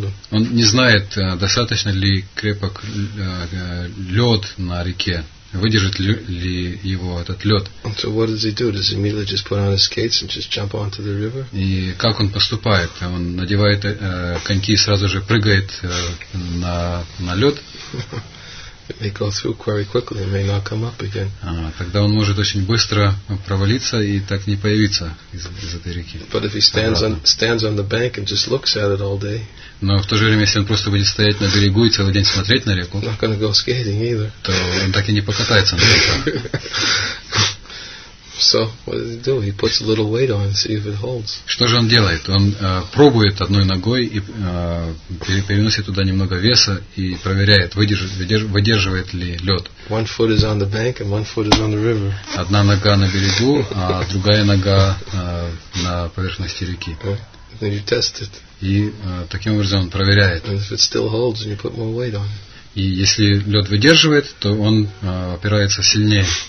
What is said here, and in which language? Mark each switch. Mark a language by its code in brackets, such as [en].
[ru] Он не знает, достаточно ли крепок лед на реке, выдержит ли его этот лед. [en] So what does he do? Does he immediately just put on his skates and just jump onto the river? [ru] И как он поступает? Он надевает коньки и сразу же прыгает на лед. [en] May go through very quickly and may not come up again. [ru] Тогда он может очень быстро провалиться и так не появиться из этой реки. [en] But if he stands on the bank and just looks at it all day. [ru] Но в то же время, если он просто будет стоять на берегу и целый день смотреть на реку, [en] not gonna go skating either. [ru] То он так и не покатается на реке. [en] So what does he do? He puts a little weight on and see if it holds. [ru] Что же он делает? Он пробует одной ногой и переносит туда немного веса и проверяет, выдерживает ли лед. [en] One foot is on the bank and one foot is on the river. [ru] Одна нога на берегу, а другая нога на поверхности реки. [en] Okay. Then you test it. [ru] И таким образом он проверяет. [en] And if it still holds, then you put more weight on it. [ru] И если лед выдерживает, то он опирается сильнее.